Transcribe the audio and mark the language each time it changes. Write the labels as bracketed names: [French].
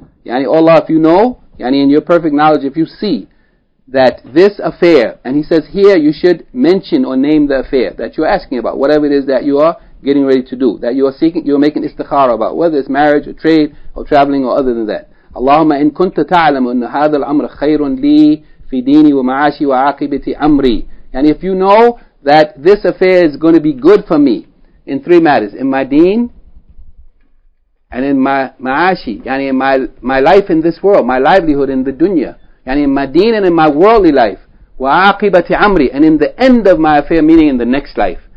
[English] Yani, oh Allah, if you know, yani in your perfect knowledge, if you see that this affair, and he says here you should mention or name the affair that you're asking about, whatever it is that you are getting ready to do, that you are seeking, you are making istikhara about, whether it's marriage or trade or traveling or other than that. [Arabic] اللهم إن كنت تعلم أن هذا الأمر خير لي في ديني ومعاشي وعاقبتي أمري. [English] And if you know that this affair is going to be good for me in three matters, in my deen, and in my ma'ashi, yani in my life in this world, my livelihood in the dunya, yani in my deen and in my worldly life, [Arabic] وعاقبتي أمري, [English] and in the end of my affair, meaning in the next life.